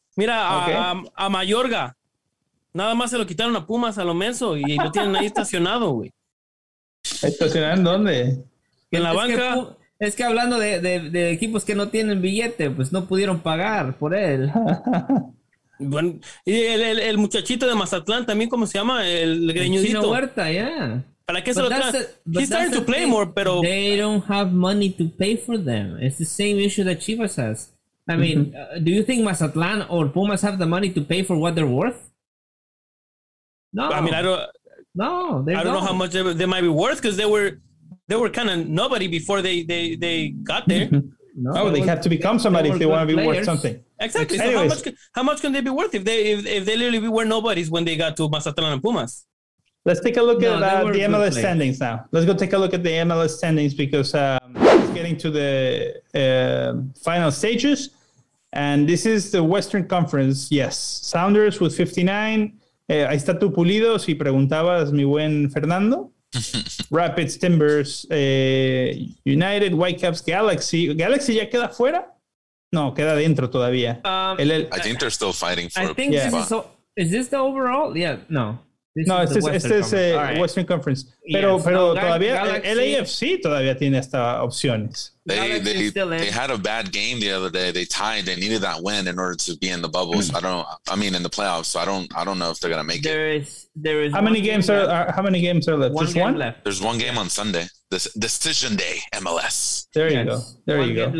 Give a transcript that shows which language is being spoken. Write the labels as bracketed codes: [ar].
[es] Mira, a Mayorga, nada más se lo quitaron a Pumas, a lo menso, y lo tienen ahí estacionado, güey. ¿Estacionado en dónde? En la banca. Es que hablando de equipos que no tienen billete, pues no pudieron pagar por él. Bueno, y el muchachito de Mazatlán también, ¿cómo se llama? El greñudito. Chino Huerta, ¿Para qué se lo traen? [en] He's starting to play more, [es] pero... [en] They don't have money to pay for them. It's the same issue that Chivas has. I mean, do you think Mazatlán or Pumas have the money to pay for what they're worth? No. I mean, I don't... No, I don't know how much they might be worth because they were... they were kind of nobody before they got there. No, so they have to become somebody if they want to be players. Worth something. Exactly. Anyways. So how much can they be worth if they literally were nobodies when they got to Mazatlan and Pumas? Let's take a look at the MLS players. Standings now. Let's go take a look at the MLS standings because it's getting to the final stages. And this is the Western Conference. Yes. Sounders with 59. [es] Ahí está tu Pulido, si preguntabas mi buen Fernando. [en] Rapids, Timbers, United, Whitecaps, Galaxy. [es] ¿Galaxy ya queda fuera? No, queda dentro todavía. [en] I think they're still fighting for I think yeah. this is this the overall? Yeah, no. This no, is este, Western este es right. Western Conference. Pero, yes. [es] pero no, todavía, Galaxy, LAFC todavía tiene estas opciones. [en] They had a bad game the other day. They tied. They needed that win in order to be in the bubbles. Mm-hmm. In the playoffs. So I don't know if they're going to make there it. There is. How many games are left? Just one? Left. There's one game on Sunday. This Decision Day, MLS. There you go. There one you go. One game